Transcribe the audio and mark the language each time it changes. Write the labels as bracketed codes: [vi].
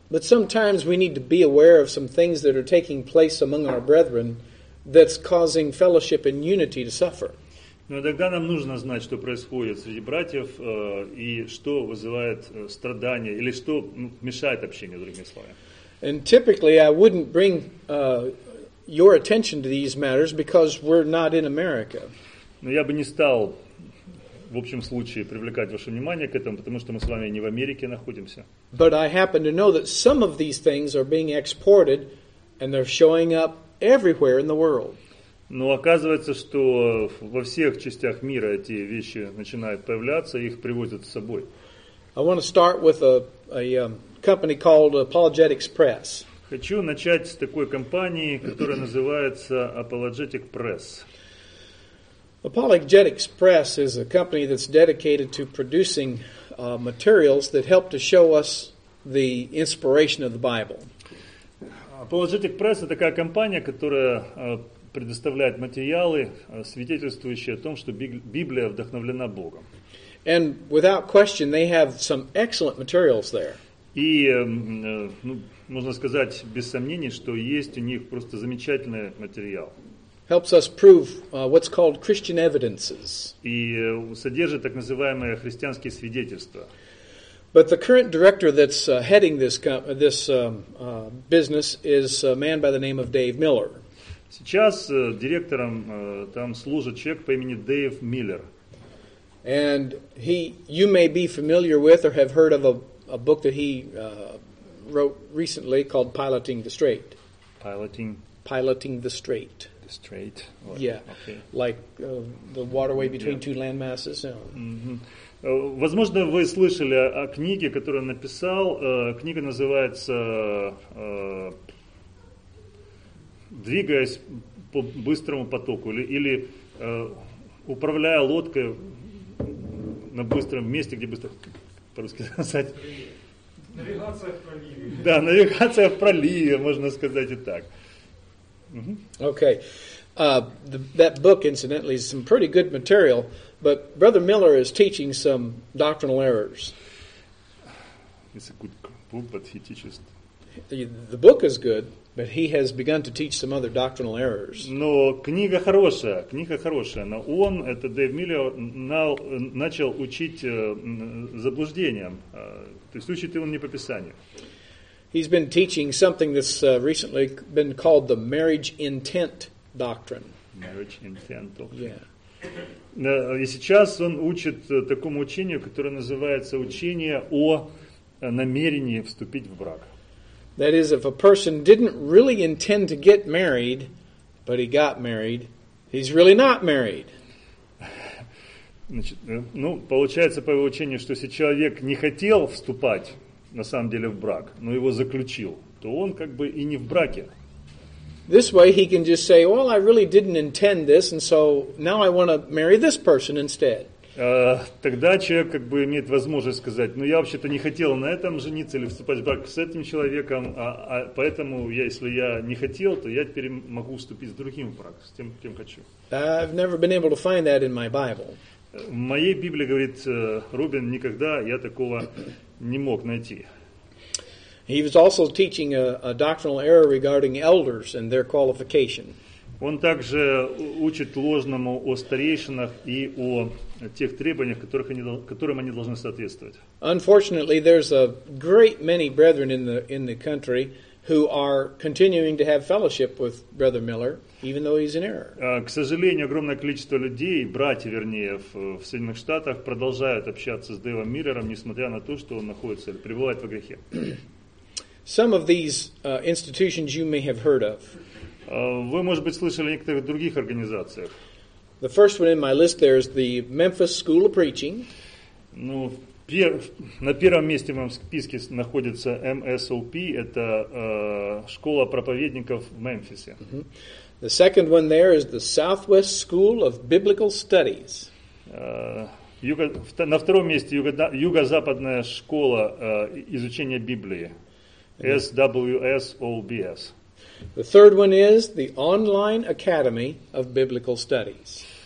[en] But sometimes we need to be aware of some things that are taking place among our brethren that's causing fellowship and unity to suffer. [ru] Но иногда нам нужно знать, что происходит среди братьев и что вызывает страдания или что мешает общению, другими словами. [en] And typically I wouldn't bring your attention to these matters because we're not in America. [ru] Но я бы не стал в общем случае привлекать ваше внимание к этому, потому что мы с вами не в Америке находимся. [en] But I happen to know that some of these things are being exported and they're showing up everywhere in the world. [ru] Но оказывается, что во всех частях мира эти вещи начинают появляться, их привозят с собой. [en] I want to start with a company called Apologetics Press. [ru] Хочу начать с такой компании, которая называется Apologetic Press. [en] Apologetics Press is a company that's dedicated to producing materials that help to show us the inspiration of the Bible. [ru] Apologetic Press — это такая компания, которая предоставляет материалы, свидетельствующие о том, что Библия вдохновлена Богом. [en] And without question, they have some excellent materials there. [ru] И, можно сказать, без сомнений, что есть у них просто замечательный материал. [en] Helps us prove what's called Christian evidences. [ru] И содержит так называемые христианские свидетельства. [en] But the current director that's heading this business is a man by the name of Dave Miller. [ru] Сейчас директором там служит человек по имени Дэйв Миллер. [en] And he, you may be familiar with or have heard of a book that he wrote recently called Piloting the Straight. Piloting the Straight. The Straight. Or, yeah. Okay. Like the waterway between two landmasses. Yeah. [ru] Возможно, вы слышали о книге, которую он написал. Книга называется «Двигаясь по быстрому потоку» или «Управляя лодкой на быстром месте, где быстро», по-русски сказать. Навигация в проливе, можно сказать и так. [en] Okay. That book, incidentally, is some pretty good material, but Brother Miller is teaching some doctrinal errors. It's a good book, but he teaches... The book is good, but he has begun to teach some other doctrinal errors. [ru] Но книга хорошая, но он, это Дэйв Миллер, начал учить заблуждениям. То есть учит он не по Писанию. [en] He's been teaching something that's recently been called the marriage intent doctrine. Marriage intent doctrine. Yeah. [ru] И сейчас он учит такому учению, которое называется учение о намерении вступить в брак. [en] That is, if a person didn't really intend to get married, but he got married, he's really not married. [ru] Значит, получается по его учению, что если человек не хотел вступать на самом деле в брак, но его заключил, то он как бы и не в браке. [en] This way he can just say, well, I really didn't intend this, and so now I want to marry this person instead. [ru] Тогда человек как бы имеет возможность сказать, ну я вообще-то не хотел на этом жениться или вступать в брак с этим человеком, а поэтому, я, если я не хотел, то я теперь могу вступить с другим в брак, с тем, кем хочу. [en] I've never been able to find that in my Bible. [ru] В моей Библии, говорит Рубин, никогда я такого не мог найти. [en] He was also teaching a doctrinal error regarding elders and their qualification. [ru] Он также учит ложному о старейшинах и о тех требованиях, которым они должны соответствовать. [en] Unfortunately, there's a great many brethren in the country who are continuing to have fellowship with Brother Miller, even though he's in error. [ru] К сожалению, огромное количество людей, братья, вернее, в Соединенных Штатах продолжают общаться с Дэйвом Миллером, несмотря на то, что он находится или пребывает во грехе. [en] Some of these institutions you may have heard of. [ru] Вы, может быть, слышали о некоторых других организациях. [en] The first one in my list there is the Memphis School of Preaching. [ru] Ну, на первом месте в моем списке находится MSOP, это школа проповедников в Мемфисе. Mm-hmm. [en] The second one there is the Southwest School of Biblical Studies. [ru] На втором месте юго-западная школа изучения Библии. [en] SWSOBS. The third one is the Online Academy of Biblical Studies.